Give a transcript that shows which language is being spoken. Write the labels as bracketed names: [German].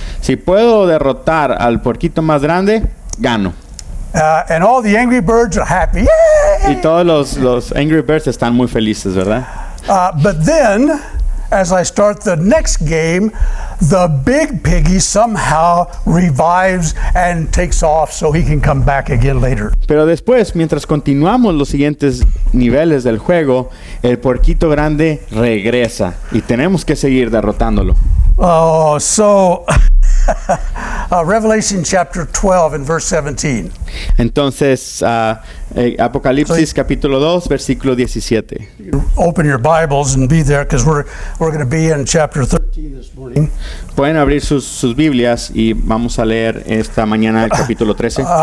[Spanish] Si puedo derrotar al puerquito más grande, gano. [English] And all the angry birds are happy. [Spanish] Y todos los angry birds están muy felices, ¿verdad? [English] But then, as I start the next game, the big piggy somehow revives and takes off so he can come back again later. [Spanish] Pero después, mientras continuamos los siguientes niveles del juego, el puerquito grande regresa y tenemos que seguir derrotándolo. [English] Oh, so Revelation chapter 12 and verse 17. [Spanish] Entonces, Apocalipsis capítulo 2, versículo 17. [English] Open your Bibles and be there because we're going to be in chapter 13 this morning. [Spanish] Pueden abrir sus Biblias y vamos a leer esta mañana el capítulo 13.